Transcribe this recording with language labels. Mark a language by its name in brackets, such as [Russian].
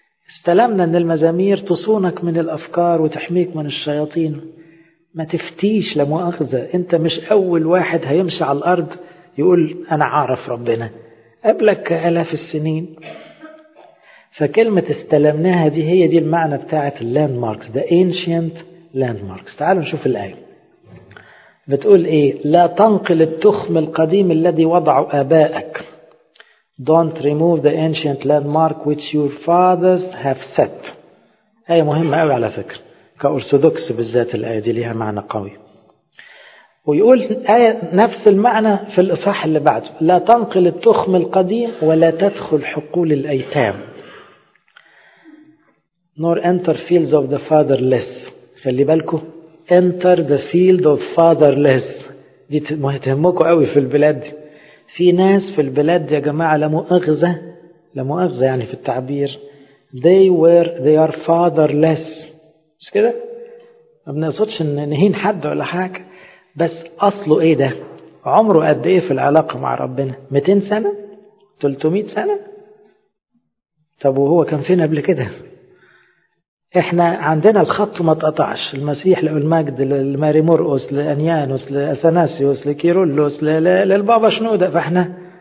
[Arabic] استلمنا ان المزامير تصونك من الأفكار وتحميك من الشياطين، ما تفتيش لمؤاخذة، انت مش أول واحد هيمشي على الأرض يقول أنا عارف ربنا، قبلك آلاف السنين. فكلمة استلمناها دي هي دي المعنى بتاعة اللاند ماركس، ذا انشنت لاند ماركس. تعالوا نشوف الآية بتقول إيه. لا تنقل التخم القديم الذي وضعه آبائك. [English] Don't remove the ancient landmark which your fathers have set. [Arabic] آية مهمة قوي على فكرة، كأرثوذكس بالذات الآية دي ليها معنى قوي. ويقول آية نفس المعنى في الإصحاح اللي بعده، لا تنقل التخم القديم ولا تدخل حقول الأيتام. [English] Nor enter fields of the fatherless. [Arabic] خلي بالكو [English] enter the field of fatherless. [Arabic] دي مهتمكوا قوي في البلاد دي. في ناس في البلاد يا جماعة لمؤاخذة يعني في التعبير [English] they are fatherless. [Arabic] مش كده؟ ما بنقصدش ان نهين حد ولا حاجة، بس اصله ايه ده؟ عمره قد ايه في العلاقة مع ربنا؟ 200 سنة؟ 300 سنة؟ طب وهو كان فين قبل كده؟ احنا عندنا الخط ما تقطعش، المسيح للمجد لماري مرقس لانيانوس لاثناسيوس لكيرولوس للبابا شنودة، فاحنا